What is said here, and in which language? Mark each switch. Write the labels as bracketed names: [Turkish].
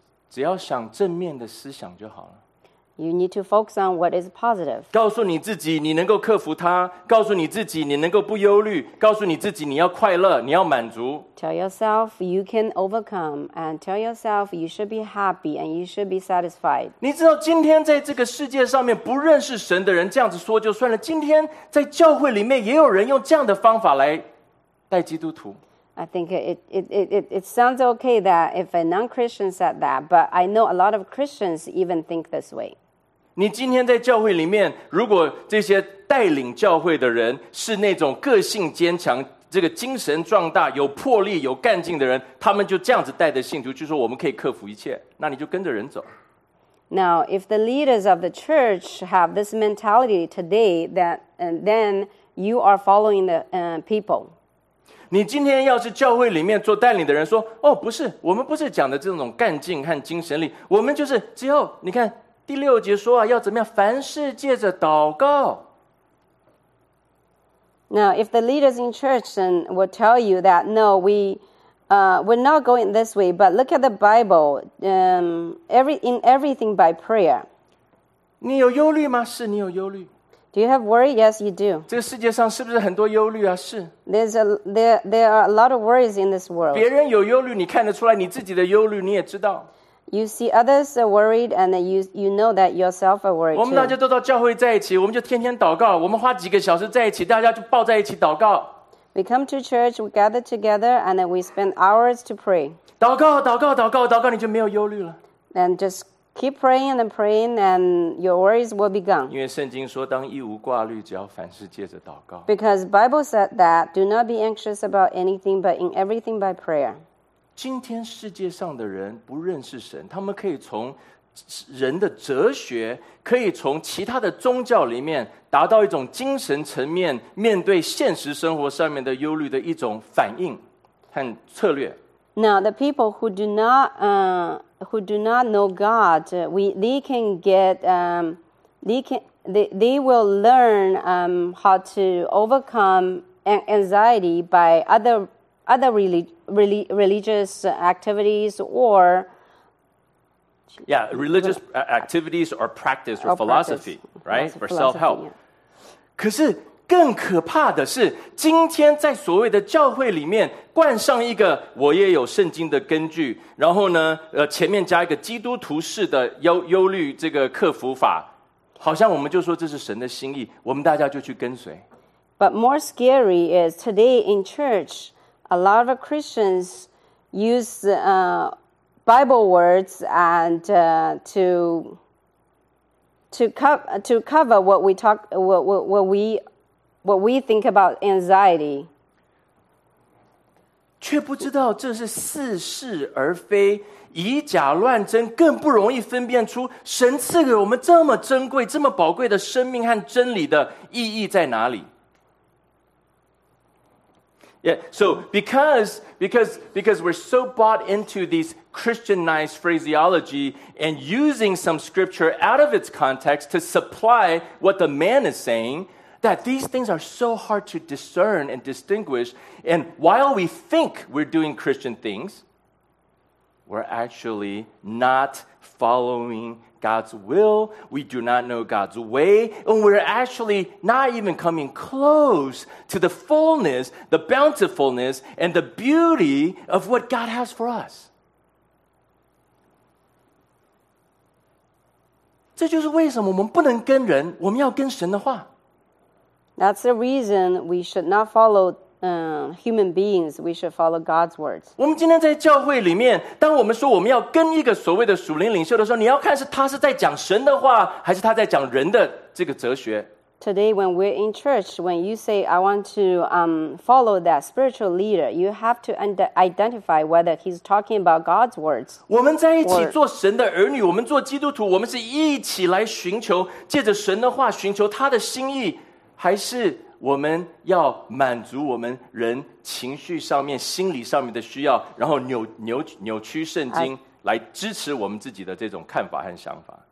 [Chinese] 只要想正面的思想就好了。 [English] You need to focus on what is positive. [Chinese] 告诉你自己你能够克服它，告诉你自己你能够不忧虑，告诉你自己你要快乐，你要满足。 [English] Tell yourself you can overcome and tell yourself you should be happy and you should be satisfied. [Chinese] 你知道今天在这个世界上面不认识神的人这样子说就算了，今天在教会里面也有人用这样的方法来带基督徒。 [English] I think it sounds okay that if a non-Christian said that, but I know a lot of Christians even think this way. [Chinese] 你今天在教会里面，如果这些带领教会的人是那种个性坚强、这个精神壮大、有魄力、有干劲的人，他们就这样子带着信徒，就说我们可以克服一切，那你就跟着人走。 [English] Now, if the leaders of the church have this mentality today, that then you are following the people. [Chinese] 你今天要是教会里面做带领的人说哦不是我们不是讲的这种干劲和精神力我们就是只要你看第六节说啊要怎么样凡事借着祷告 [English] Now if the leaders in church then will tell you that no we're not going this way but look at the Bible in everything by prayer [Chinese] 你有忧虑吗是你有忧虑 [English] Do you have worry? Yes, you do. [Chinese] 这个世界上是不是很多忧虑啊？是。 [English] There are a lot of worries in this world. [Chinese] 别人有忧虑，你看得出来，你自己的忧虑你也知道。 [English] You see others are worried, and you know that yourself are worried. [Chinese] 我们大家都到教会在一起，我们就天天祷告，我们花几个小时在一起，大家就抱在一起祷告。 [English] We come to church, we gather together, and we spend hours to pray. [Chinese] 祷告，祷告，祷告，祷告，你就没有忧虑了。 [English] And just. Keep praying and praying, and your worries will be gone. [Chinese] 因为圣经说，当一无挂虑，只要凡事借着祷告。 [English] Because Bible said that, do not be anxious about anything, but in everything by prayer. [Chinese] 今天世界上的人不认识神，他们可以从人的哲学，可以从其他的宗教里面达到一种精神层面，面对现实生活上面的忧虑的一种反应和策略。 [English] Now the people who do not know God, they will learn how to overcome anxiety by other religious activities or religious activities or practice or philosophy, right? Or self-help. [Chinese] 可是更可怕的是，今天在所谓的教会里面冠上一个我也有圣经的根据，然后呢，前面加一个基督徒式的忧虑这个克服法，好像我们就说这是神的心意，我们大家就去跟随。 [English] But more scary is today in church, a lot of Christians use Bible words and to cover what we think about anxiety. [Chinese] 却不知道这是似是而非，以假乱真，更不容易分辨出神赐给我们这么珍贵、这么宝贵的生命和真理的意义在哪里。 [English] Yeah, so because we're so bought into these Christianized phraseology and using some scripture out of its context to supply what the man is saying, that these things are so hard to discern and distinguish, and while we think we're doing Christian things, we're actually not following God's will, we do not know God's way, and we're actually not even coming close to the fullness, the bountifulness, and the beauty of what God has for us. [Chinese] 这就是为什么我们不能跟人，我们要跟神的话。 [English] That's the reason we should not follow human beings, we should follow God's words. [Chinese] 我们今天在教会里面，当我们说我们要跟一个所谓的属灵领袖的时候，你要看是他是在讲神的话，还是他在讲人的这个哲学。 [English] Today, when we're in church, when you say, I want to follow that spiritual leader, you have to identify whether he's talking about God's words. [Chinese] 我们在一起做神的儿女，我们做基督徒，我们是一起来寻求，借着神的话寻求他的心意，还是我们要满足我们人情绪上面、心理上面的需要，然后扭曲圣经来支持我们自己的这种看法和想法。